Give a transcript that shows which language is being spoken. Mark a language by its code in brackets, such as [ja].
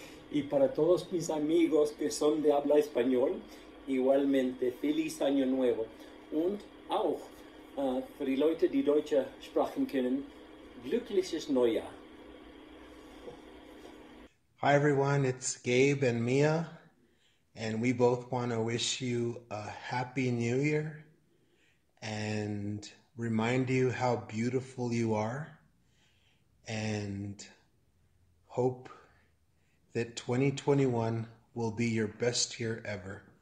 [es] Y para todos mis amigos que son de habla español, igualmente, feliz año nuevo. [de] Und auch für die Leute, die deutsche Sprachen kennen, glückliches Neujahr. [en] Hi everyone, it's Gabe and Mia, and we both want to wish you a happy new year and remind you how beautiful you are, and hope that 2021 will be your best year ever.